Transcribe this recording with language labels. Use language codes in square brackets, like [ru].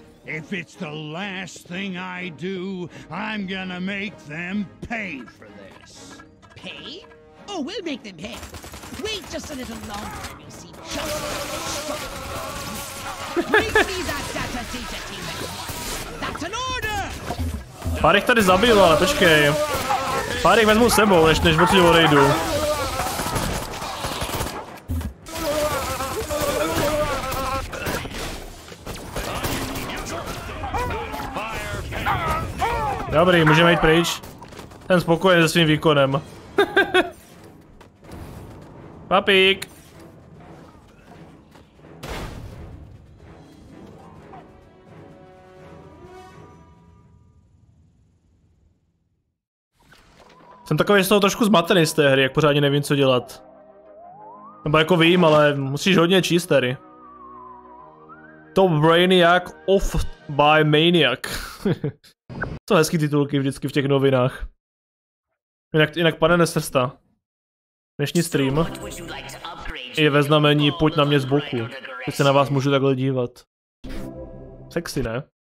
[en] If it's the last thing I do, I'm gonna make them pay for this. Pay? Oh, we'll make them pay. Wait just a little longer, you see. Just a little longer. Bring me that data data team. That's an order! [cs] Parik tady zabil, ale počkej. Parik vezmu sebou, než odsud odejdu. Dobrý, můžeme jít pryč. Ten spokojen se svým výkonem. Papík. Jsem takový z toho trošku zmatený z té hry, jak pořádně nevím co dělat. Nebo jako vím, ale musíš hodně číst tady. [en] Top Brainiac off by Maniac. [cs] To jsou hezký titulky vždycky v těch novinách. Jinak pane Nesrsta. Dnešní stream je ve znamení pojď na mě z boku, že se na vás můžu takhle dívat. Sexy, ne?